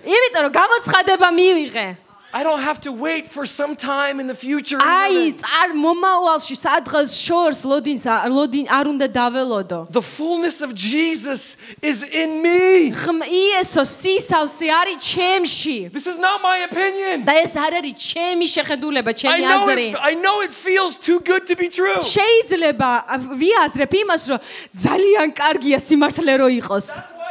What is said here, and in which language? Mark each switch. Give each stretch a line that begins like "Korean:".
Georgian: იმიტომ რომ გამოცხადება მივიღე.
English: I don't have to wait for some time in the future.
Georgian: აი, არ მომავალში სადღაც შორს ლოდინს ლოდინ არ უნდა დაველოდო.
English: The fullness of Jesus is in me.
Georgian: იესო სისავსე არის ჩემში.
English: This is not my opinion.
Georgian: და ეს არ არის ჩემი შეხედულება, ჩემი აზრი.
English: I know it feels too good to be true.
Georgian: შეიძლება ვიაზრებ იმას, რომ ძალიან კარგია სიმართლე რო იყოს.